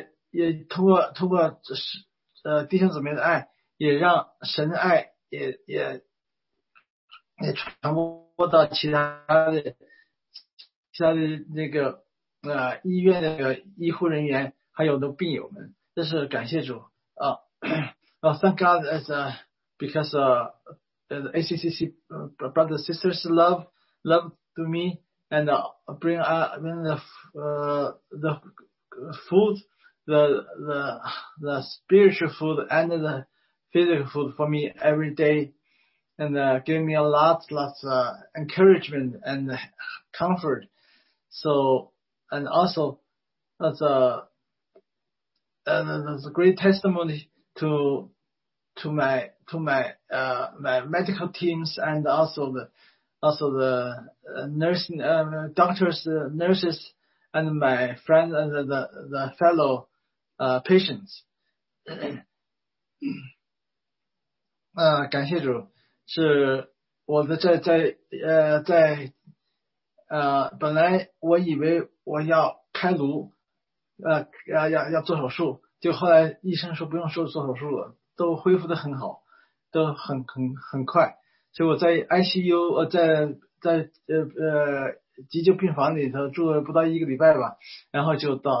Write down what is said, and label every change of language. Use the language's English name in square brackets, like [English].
[Chinese] 也通过这是弟兄姊妹的爱，也让神的爱也传播。播到其他的那个医院的医护人员，还有的病友们，这是感谢主啊！ [English] Thank God as because the ACCC brothers sisters love to me and bring the food the spiritual food and the physical food for me every day. And gave me a lot encouragement and comfort. So, and also, that's a great testimony to my medical teams and also the doctors, nurses and my friends and the fellow patients. [Chinese] 感谢主。是我的在本来我以为我要开颅要做手术，就后来医生说不用做手术了，都恢复得很好，都很快，所以我在 ICU 在急救病房里头住了不到一个礼拜吧，然后就